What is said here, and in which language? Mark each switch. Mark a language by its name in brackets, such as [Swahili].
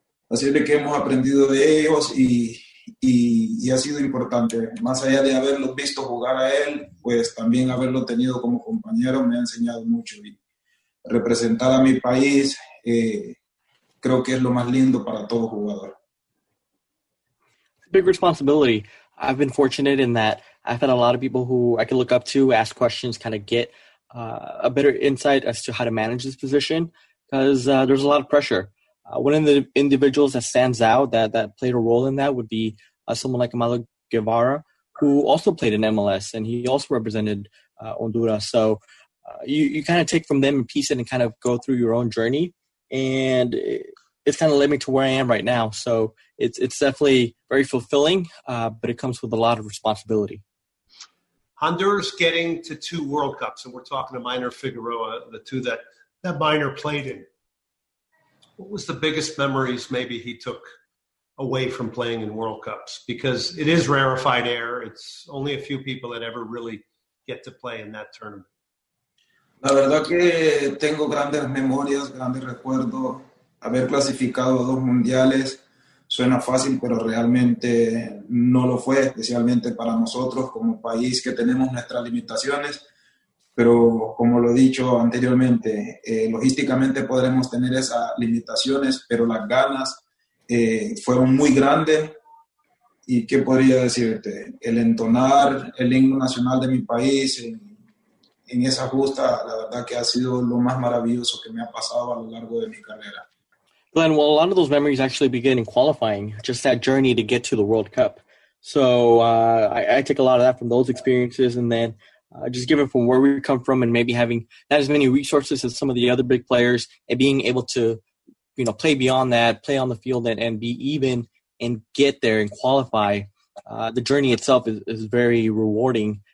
[Spanish] Así es que hemos aprendido de ellos y ha sido importante. Más allá de haberlo visto jugar a él, pues también haberlo tenido como compañero me ha enseñado mucho. Y representar a mi país creo que es lo más lindo para todo jugador. [English] Big responsibility. I've been fortunate in that I've had a lot of people who I can look up to, ask questions, kind of get a better insight as to how to manage this position, because there's a lot of pressure. One of the individuals that stands out that played a role in that would be someone like Amado Guevara, who also played in MLS, and he also represented Honduras. So you kind of take from them and piece it and kind of go through your own journey, and it's kind of led me to where I am right now. So it's definitely very fulfilling, but it comes with a lot of responsibility. Honduras getting to two World Cups, and we're talking to Minor Figueroa, the two that Minor played in. What was the biggest memories maybe he took away from playing in World Cups? Because it is rarefied air. It's only a few people that ever really get to play in that tournament. [Spanish] La verdad que tengo grandes memorias, grandes recuerdos. Haber clasificado dos mundiales suena fácil, pero realmente no lo fue, especialmente para nosotros como país que tenemos nuestras limitaciones. Pero como lo he dicho anteriormente, logísticamente podremos tener esas limitaciones, pero las ganas fueron muy grandes. ¿Y qué podría decirte? El entonar el himno nacional de mi país en esa justa, la verdad que ha sido lo más maravilloso que me ha pasado a lo largo de mi carrera. [English] Glenn, well, a lot of those memories actually begin in qualifying, just that journey to get to the World Cup. So I take a lot of that from those experiences. And then just given from where we come from and maybe having not as many resources as some of the other big players and being able to, you know, play beyond that, play on the field and be even and get there and qualify, the journey itself is very rewarding.